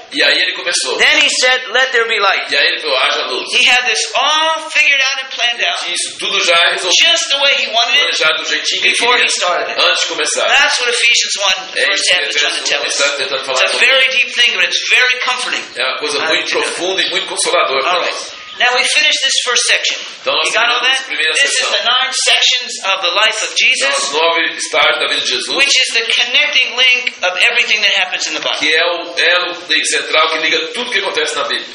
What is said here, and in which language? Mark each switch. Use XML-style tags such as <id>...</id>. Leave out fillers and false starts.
<pt>E aí ele começou.</pt> <en>Then he said, "Let there be light."</en> <pt>E aí ele falou, haja luz.</pt> <en>He had this all figured out and planned out.</en> <pt>Isso tudo já resolvido.</pt> <en>Just the way he wanted it.</en> <pt>Planejado do jeitinho que</pt> <en>before</en> <pt>queria,</pt> <en>he started it.</en> <pt>Antes de começar.</pt> <en>That's what Ephesians 1, verse 10 is trying to tell us. It's a very deep thing, but it's very comforting.</en> <pt>É uma coisa muito profunda e muito consoladora para nós.</pt> <en>Now we finish this first section.</en> <pt>Então,</pt> <en>you got all that? This</en> <pt>sessão.</pt> <en>Is the 9 sections of the life of Jesus,</en> <pt>então, nove estágios da vida de Jesus,</pt> <en>which is the connecting link of everything that happens in the Bible.</en> <pt>Que é o elo central que liga tudo que acontece na Bíblia.</pt>